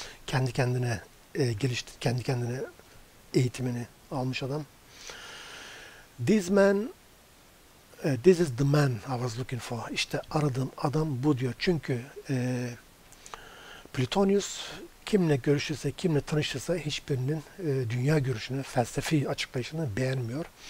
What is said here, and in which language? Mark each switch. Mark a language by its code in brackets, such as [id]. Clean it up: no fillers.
[tr] Kendi kendine gelişti, kendi kendine eğitimini almış adam. [en] This is the man I was looking for. [tr] İşte aradığım adam bu diyor. Çünkü Plotinus kimle görüşürse, kimle tanışırsa hiçbirinin dünya görüşünü, felsefi açıklayışını beğenmiyor.